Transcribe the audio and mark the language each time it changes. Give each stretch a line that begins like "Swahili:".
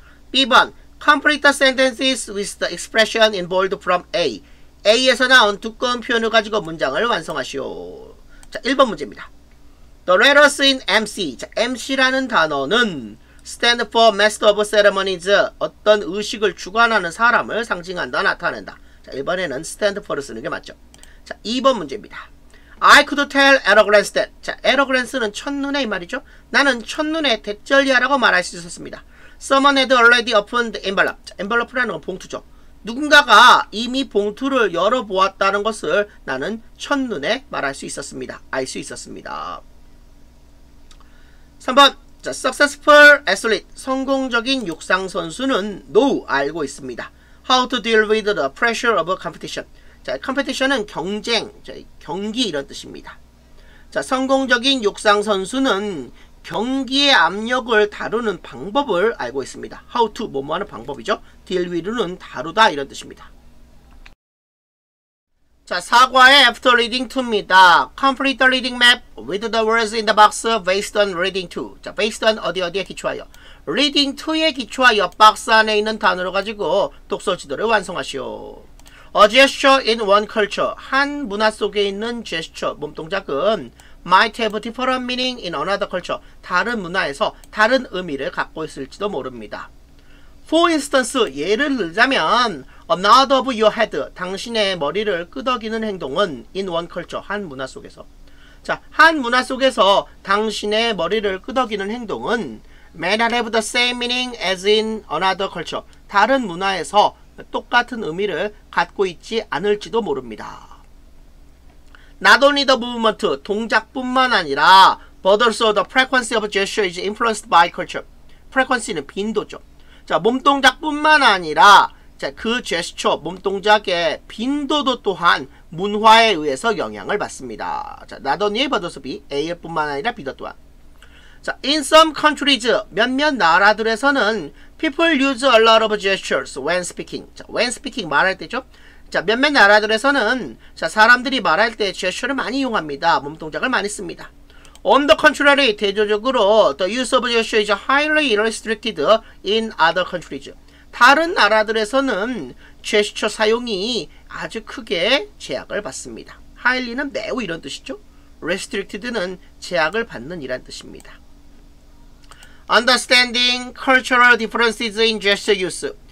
English: B번, complete the sentences with the expression in bold from A.
Korean: A에서 나온 두꺼운 표현을 가지고 문장을 완성하시오. 자, 1번 문제입니다.
English: The letters in MC.
Korean: 자, MC라는 단어는
English: stand for master of ceremonies,
Korean: 어떤 의식을 주관하는 사람을 상징한다, 나타낸다. 자, 1번에는 stand for를 쓰는 게 맞죠. 자, 2번 문제입니다.
English: I could tell at a glance that. 자, at a glance는
Korean: 첫눈에 이 말이죠. 나는 첫눈에 대절리아라고 말할 수 있었습니다.
English: Someone had already opened the envelope. 자, envelope
Korean: 라는 건 봉투죠. 누군가가 이미 봉투를 열어보았다는 것을 나는 첫눈에 말할 수 있었습니다. 알 수 있었습니다. 3번. 자,
English: successful athlete,
Korean: 성공적인 육상선수는 know, 알고 있습니다.
English: How to deal with the pressure of a competition.
Korean: 자, competition은 경쟁, 자, 경기 이런 뜻입니다. 자, 성공적인 육상선수는 경기의 압력을 다루는 방법을 알고 있습니다.
English: How to,
Korean: 뭐뭐 하는 방법이죠. deal with는 다루다 이런 뜻입니다. 자, 사과의 after reading 2입니다.
English: Complete the reading map with the words in the box based on reading 2.
Korean: 자, based on 어디어디에 기초하여. reading 2에 기초하여 박스 안에 있는 단어를 가지고 독서 지도를 완성하시오.
English: A gesture in one culture.
Korean: 한 문화 속에 있는
English: gesture, 몸동작은 might have different meaning in another culture.
Korean: 다른 문화에서 다른 의미를 갖고 있을지도 모릅니다.
English: For instance,
Korean: 예를 들자면
English: A nod of your head,
Korean: 당신의 머리를 끄덕이는 행동은
English: in one culture,
Korean: 한 문화 속에서. 자, 한 문화 속에서 당신의 머리를 끄덕이는 행동은
English: may not have the same meaning as in another culture.
Korean: 다른 문화에서 똑같은 의미를 갖고 있지 않을지도 모릅니다.
English: Not only the movement,
Korean: 동작뿐만 아니라
English: but also the frequency of gesture is influenced by culture.
Korean: frequency는 빈도죠. 자, 몸동작뿐만 아니라 자, 그 제스처, 몸동작의 빈도도 또한 문화에 의해서 영향을 받습니다. 자, not only but also be, A 뿐만 아니라 B도 또한.
English: 자, in some countries,
Korean: 몇몇 나라들에서는
English: people use a lot of gestures when speaking.
Korean: 자,
English: when speaking
Korean: 말할 때죠. 자, 몇몇 나라들에서는 자, 사람들이 말할 때 gesture를 많이 이용합니다. 몸동작을 많이 씁니다.
English: On the contrary,
Korean: 대조적으로
English: the use of gesture is highly restricted in other countries.
Korean: 다른 나라들에서는 제스처 사용이 아주 크게 제약을 받습니다. Highly는 매우 이런 뜻이죠. Restricted는 제약을 받는 이란 뜻입니다.
English: Understanding cultural differences in gesture use.